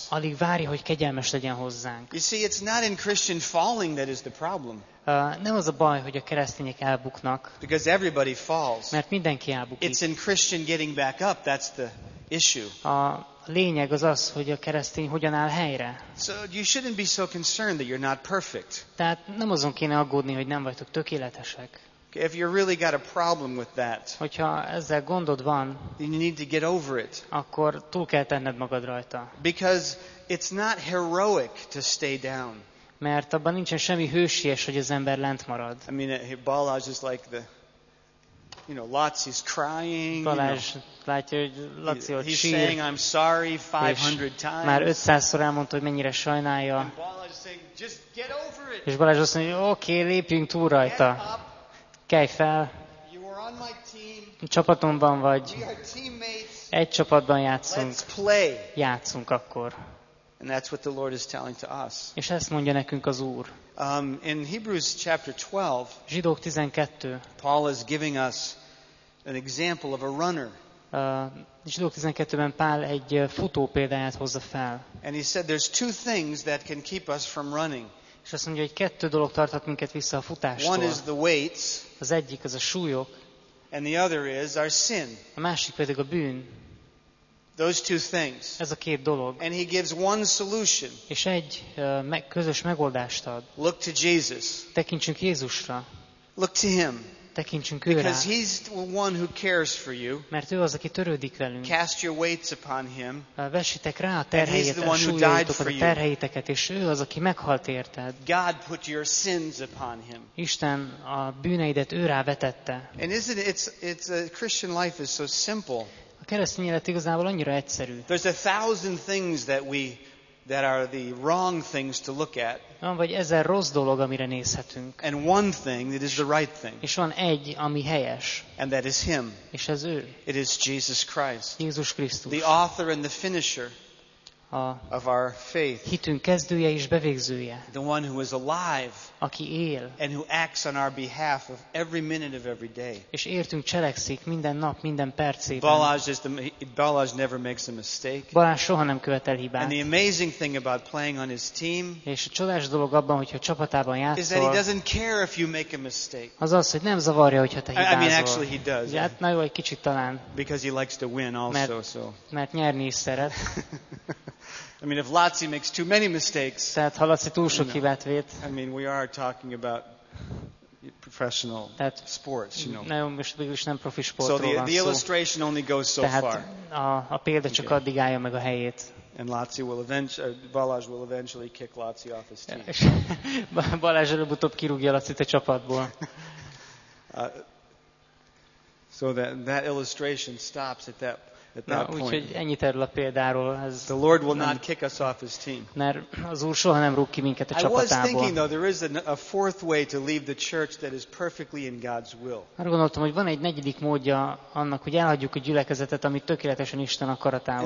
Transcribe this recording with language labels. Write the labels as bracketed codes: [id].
[hu] Alig várja, hogy kegyelmes legyen hozzánk. [en] You see, it's not in Christian falling that is the problem. [hu] Nem az a baj, hogy a keresztények elbuknak. [en] Because everybody falls. [hu] Mert mindenki elbukik. [en] It's in Christian getting back up, that's the issue. [hu] A lényeg az az, hogy a keresztény hogyan áll helyre. [en] So you shouldn't be so concerned that you're not perfect. [hu] Tehát nem azon kéne aggódni, hogy nem vagytok tökéletesek. [en] If you really got a problem with that, [hu] hogyha ezzel gondod van, [en] you need to get over it. [hu] Akkor túl kell tenned magad rajta. [en] Because it's not heroic to stay down. [hu] Mert abban nincsen semmi hősies, hogy az ember lent marad. [en] I mean, Balázs is like the, you know, Laci's crying. [hu] Balázs, [en] you know, [hu] látja, hogy Laci ott [en] he's He's saying I'm sorry 500 times. [hu] Már 500-szor elmondta, hogy mennyire sajnálja. [en] And Balázs is saying, just get over it. [hu] És Balázs azt mondja, oké, okay, lépjünk túl rajta. Kelj fel. [en] You are on my team. [hu] Csapatomban vagy. [en] We are teammates. [hu] Egy csapatban játszunk. [en] Let's play. [hu] Játszunk akkor. [en] And that's what the Lord is telling to us. [hu] És ezt mondja nekünk az Úr. [en] In Hebrews chapter 12, [hu] Zsidók 12, [en] Paul is giving us an example of a runner. [hu] Zsidók 12-ben Pál egy futó példáját hozza fel. [en] And he said there's two things that can keep us from running. [hu] És azt mondja, hogy kettő dolog tarthat minket vissza a futástól. [en] One is the weights, [hu] az egyik az a súlyok, [en] and the other is our sin. [hu] A másik pedig a bűn. [en] Those two things. [hu] Ez a két dolog. [en] And he gives one solution. [hu] És egy közös megoldást ad. [en] Look to Jesus. [hu] Tekintsünk Jézusra. [en] Look to him. [hu] Tekintsünk őre. [en] Because he's the one who cares for you. [hu] Mert ő az, aki törődik velünk. [en] Cast your weights upon him. [hu] Vessétek rá a terheiteket, és ő az, aki meghalt érted. [en] God put your sins upon him. [hu] Isten a bűneidet ő rá vetette. [en] And isn't it's a Christian life is so simple. [hu] A keresztény élet igazából annyira egyszerű. [en] There's a thousand things that are the wrong things to look at. [hu] Van vagy ezer rossz dolog, amire nézhetünk. [en] And one thing that is the right thing. [hu] És van egy, ami helyes. [en] And that is him. [hu] És ez ő. [en] It is Jesus Christ. [hu] Jézus Krisztus. [en] The author and the finisher of our faith. [hu] Hitünk kezdője és bevégzője. [en] The one who is alive. [hu] Aki él. [en] And who acts on our behalf of every minute of every day. [hu] És értünk cselekszik minden nap, minden percében. [en] Balázs never makes a mistake. [hu] Balázs soha nem követel hibát. [en] And the amazing thing about playing on his team. [hu] És a csodás dolog abban, hogyha a csapatában játszol. [en] Is that he doesn't care if you make a mistake. [hu] Az az, hogy nem zavarja, hogyha te hibázol. [en] I mean, actually he does. [hu] Hát, na jó, egy kicsit talán. [en] Because he likes to win also. [hu] Mert nyerni is szeret. [en] I mean, if Laci makes too many mistakes. [hu] Tehát ha Laci túl sok hibát vét. [en] I mean, we are talking about professional sports, you know. [hu] Nem, most végülis nem profi sportról van szó. [en] So the illustration only goes so [hu] tehát [en] far. [hu] A példa csak addig állja meg a helyét. [en] And Laci will Balázs will eventually kick Laci off his team. [hu] Balázs előbb-utóbb kirúgja Lacit a csapatból. [en] So that illustration stops at that [hu] ennyit erről a példáról. [en] The Lord will not kick us off his team. [hu] Mert az Úr soha nem rúg ki minket a csapatából. [en] I was thinking though there is a fourth way to leave the church that is perfectly in God's will. [hu] Arra gondoltam, hogy van egy negyedik módja annak, hogy elhagyjuk a gyülekezetet, ami tökéletesen Isten akaratával.